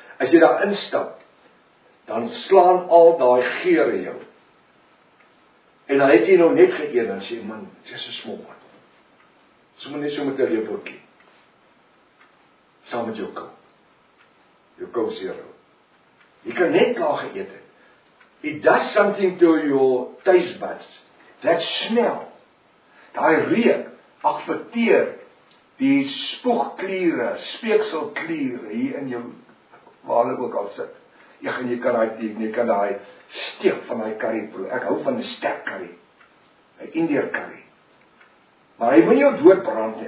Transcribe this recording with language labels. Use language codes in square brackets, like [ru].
[af] As jy daar instap, dan slaan al daai geure jou. En dan het jy nou net geëet en sê man, dis so smaak. So moet net so met 'n lepeltjie. Saam met jou kou. Jou kou seer. Jy kan net klaar geëet het. [en] It does something to your taste buds. That smell. [af] Daai reuk affekteer die spoegkliere, speekselkliere hier in jou waar hulle ook al sit. Ek en jy kan daai steek van daai curry proe. Ek hou van 'n sterk curry. 'n Indiër curry. Maar hy moenie jou doodbrand nie.